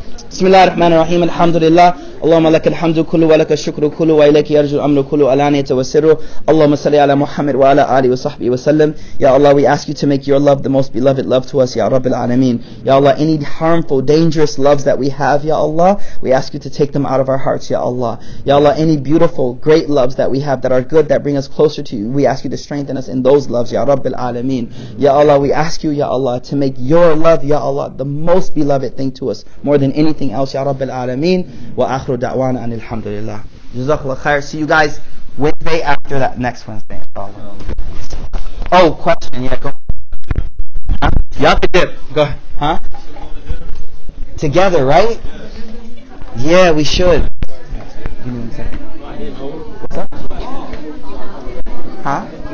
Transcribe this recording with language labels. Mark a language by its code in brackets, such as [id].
[ar] بسم الله الرحمن الرحيم الحمد لله اللهم لك الحمد كله ولك الشكر كله وإليك يرجع الأمر كله ألانية وسره اللهم صل على محمد وعلى آله وصحبه وسلم. [en] Ya Allah, we ask you to make your love the most beloved love to us, Ya Rabbi Alameen. Ya Allah, any harmful, dangerous loves that we have, Ya Allah, we ask you to take them out of our hearts, Ya Allah. Ya Allah, any beautiful, great loves that we have that are good, that bring us closer to you, we ask you to strengthen us in those loves, Ya Rabbi Alameen. Ya Allah, we ask you, Ya Allah, to make your love, Ya Allah, the most beloved thing to us, more than anything else, Ya Rabbi Alameen. [ar] دعوانا أن الحمد لله جزاك الله خير. [en] See you guys Wednesday after that, next Wednesday. Oh, question. Yeah, go. Huh? Yeah, we did. Go. Huh? Together, right? Yeah, we should. Give me one second. What's up? Huh?